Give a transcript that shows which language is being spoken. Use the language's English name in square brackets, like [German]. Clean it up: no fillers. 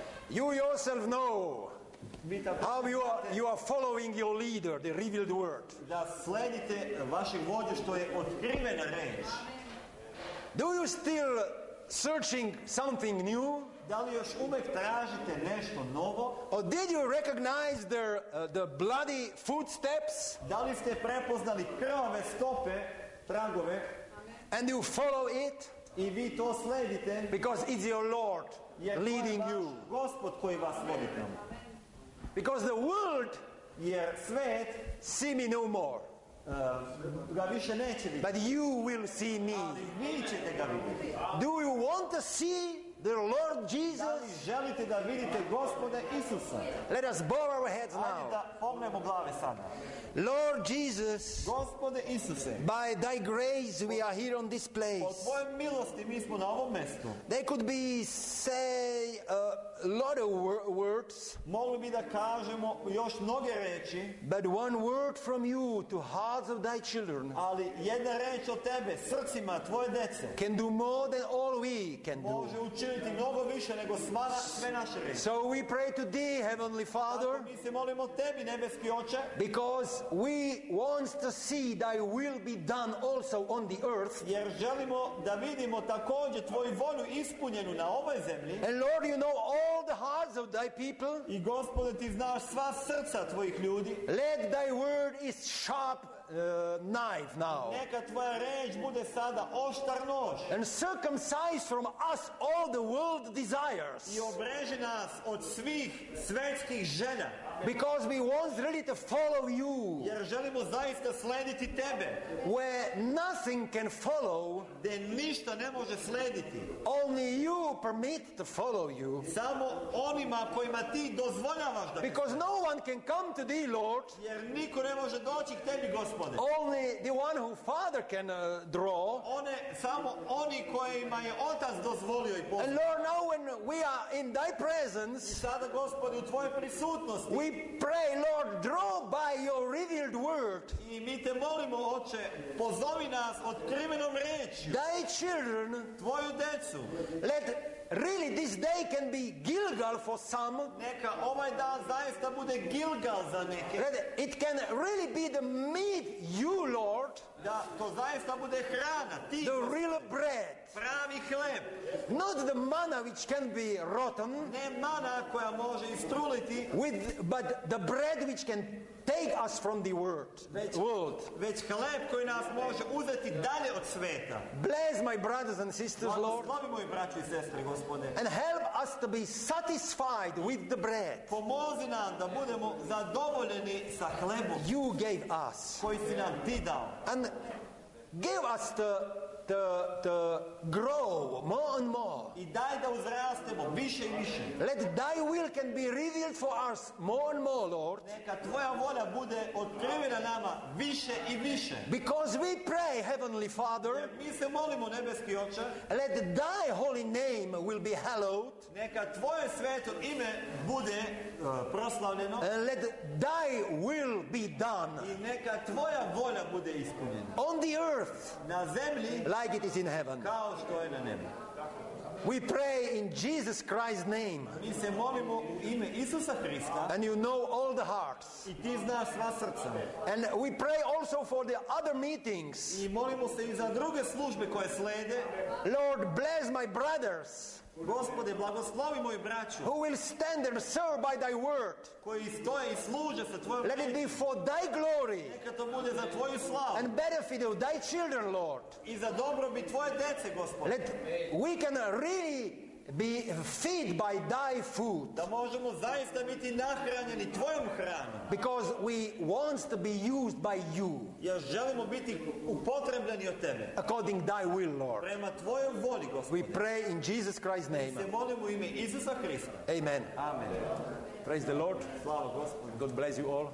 [English] You yourself know how you are following your leader, the revealed word. [Serbian] Da sledite vašeg vođu što je otkrivena reč. [English] Do you still searching something new? [Serbian] Da li još uvek tražite nešto novo? [English] Or did you recognize the bloody footsteps? [Serbian] Da li ste prepoznali krvave stope, tragove? [English] And you follow it? [Serbian] I vi to sledite. [English] Because it's your Lord leading you. [Serbian] Gospod koji vas vodi. [English] Because the world [Serbian] jer svet [English] see me no more. [Serbian] Ga više neće biti. [English] But you will see me. [Serbian] Ali vi ćete ga vidjeti. [English] Do you want to see the Lord Jesus? [Serbian] Da li želite da vidite Gospoda Isusa? [English] Let us bow our heads now. [Serbian] Ajde da pognemo glave sada. [English] Lord Jesus, [Serbian] Gospode Isuse, [English] by thy grace we are here on this place. [Serbian] Od tvoje milosti mi smo na ovom mestu. [English] There could be say a lot of words. [Serbian] Mogli bi da kažemo još mnoge reči. [English] But one word from you to hearts of thy children. [Serbian] Ali jedna reč od tebe srcima tvoje dece. [English] Can do more than all we can do. [Serbian] Može učiniti mnogo više nego sve naše reči. [English] So we pray to thee, Heavenly Father. [Serbian] Mi se molimo tebi, nebeski Oče. [English] Because we want to see thy will be done also on the earth. [Serbian] Jer želimo da vidimo također tvoju volju ispunjenu na ovoj zemlji. [English] And Lord, you know all the hearts of thy people. [Serbian] I Gospode, ti znaš sva srca tvojih ljudi. [English] Let thy word is sharp knife now. [Serbian] Neka tvoja reč bude sada oštar nož. [English] And circumcise from us all the world desires. [Serbian] I obreži nas od svih svetskih želja. [English] Because we want really to follow you. [Serbian] Jer želimo zaista slediti tebe. [English] Where nothing can follow. [Serbian] Gde ništa ne može slediti. [English] Only you permit to follow you. [Serbian] Samo onima kojima ti dozvoljavaš da. [English] Because no one can come to thee, Lord. [Serbian] Jer niko ne može doći k tebi, Gospode. [English] Only the one who Father can draw. [Serbian] One, samo oni kojima je Otac dozvolio i pozvao. [English] And Lord, now when we are in thy presence. [Serbian] I sada, Gospode, u tvojoj prisutnosti. [English] We pray, Lord, draw by your revealed word. [Serbian] I mi te molimo, Oče, pozovi nas otkrivenom rečju. [English] Thy children, [Serbian] tvoju decu. [English] Let really this day can be Gilgal for some. [Serbian] Neka ovaj dan zaista bude Gilgal za neke. [English] Let it can really be the meat, you Lord. [Serbian] Da to zaista bude hrana, ti. [English] The real bread. [Serbian] Pravi hleb. [English] Not the manna which can be rotten. [Serbian] Ne mana koja može istruliti. [English] But the bread which can take us from the world. [Serbian] Već hleb koji nas može uzeti dalje od sveta. [English] Bless my brothers and sisters, Lord. [Serbian] Blagoslovi moji braći i sestre, Gospode. [English] And help us to be satisfied with the bread. [Serbian] Pomozi nam da budemo zadovoljeni sa hlebom. [English] You gave us. [Serbian] Koji si nam ti dao. [English] And give us the grow more and more. [Serbian] I daj da uzrastemo više i više. [English] Let thy will can be revealed for us more and more, Lord. [Serbian] Neka tvoja volja bude otkrivena nama više i više. [English] Because we pray, Heavenly Father. [Serbian] Jer mi se molimo, nebeski Oče. [English] Let thy holy name will be hallowed. [Serbian] Neka tvoje sveto ime bude proslavljeno. [English] And let thy will be done. [Serbian] I neka tvoja volja bude ispunjena. [English] On the earth. [Serbian] Na zemlji. [English] Like it is in heaven. [Serbian] Kao što je na nebu. [English] We pray in Jesus Christ's name. [Serbian] Mi se molimo u ime Isusa Hrista. [English] And you know all the hearts. [Serbian] I ti znaš sva srca. [English] And we pray also for the other meetings. [Serbian] I molimo se i za druge službe koje slede. [English] Lord, bless my brothers. [Serbian] Gospode, blagoslovi moji braću. [English] Who will stand and serve by thy word. [Serbian] Koji stoje i služe sa tvojom. [English] Let it be for thy glory. [Serbian] Neka to bude za tvoju slavu. [English] And benefit of thy children, Lord. [Serbian] I za dobrobit tvoje dece, Gospode. [English] Let we can really be fed by thy food. [Serbian] Da možemo zaista biti nahranjeni tvojom hranom. [English] Because we want to be used by you. [Serbian] Ja želimo biti upotrebljeni od tebe. [English] According thy will, Lord. [Serbian] Prema tvojoj voli, Gospode. [English] We pray in Jesus Christ's name. [Serbian] Se molimo u ime Isusa Hrista. [English] Amen. [Serbian] Amen. [English] Praise the Lord. [Serbian] Slava Gospodu. [English] God bless you all.